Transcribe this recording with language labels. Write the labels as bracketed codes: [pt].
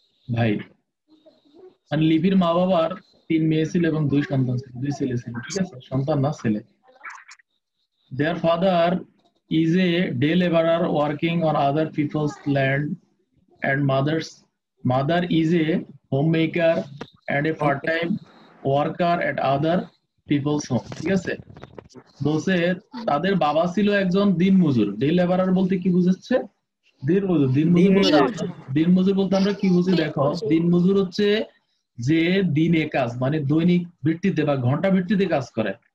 [bn] ভাই মানে লিপির মা বাবার তিন মেয়ে ছিল এবং দুই সন্তান ছিল, দুই ছেলে ছিল। ঠিক আছে, সন্তান না ছেলে। [en] Their father is a day laborer working on other people's land and mother is a homemaker and a part-time worker at other people's home. [bn] ঠিক আছে, বলছে তাদের বাবা ছিল একজন দিনমজুর। ডে লেবার বলতে কি বুঝাচ্ছে? দিনমজুর। দিনমজুর বলতে, দিনমজুর বলতে আমরা কি বুঝি দেখো, দিনমজুর হচ্ছে যে দিনে কাজ মানে দৈনিক ভিত্তিতে বা ঘন্টা ভিত্তিতে কাজ করে।